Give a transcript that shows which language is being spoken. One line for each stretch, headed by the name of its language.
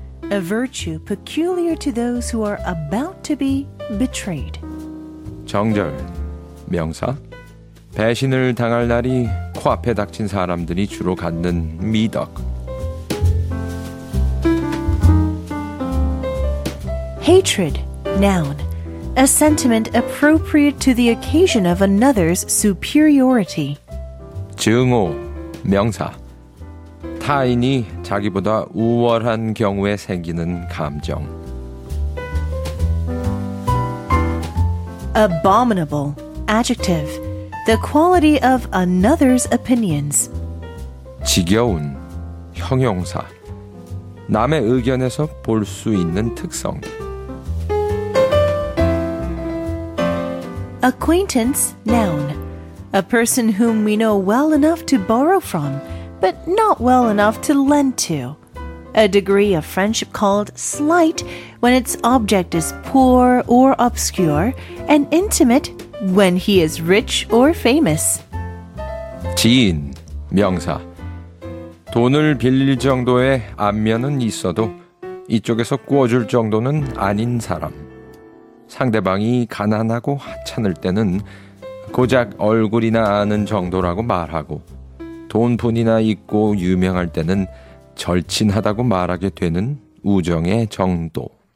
English: A virtue peculiar to those who are about to be betrayed.
Korean: 정절, 명사. 배신을 당할 날이 코앞에 닥친 사람들이 주로 갖는 미덕.
English: Hatred, noun. A sentiment appropriate to the occasion of another's superiority.
Korean: 증오, 명사. 타인이 자기보다 우월한 경우에 생기는 감정.
English: Abominable, adjective. The quality of another's opinions.
Korean: 지겨운, 형용사. 남의 의견에서 볼 수 있는 특성.
English: Acquaintance, noun. A person whom we know well enough to borrow from, but not well enough to lend to. A degree of friendship called slight when its object is poor or obscure, and intimate when he is rich or famous.
Korean: 지인, 명사. 돈을 빌릴 정도의 안면은 있어도 이쪽에서 구워줄 정도는 아닌 사람. 상대방이 가난하고 하찮을 때는 고작 얼굴이나 아는 정도라고 말하고 돈뿐이나 있고 유명할 때는 절친하다고 말하게 되는 우정의 정도.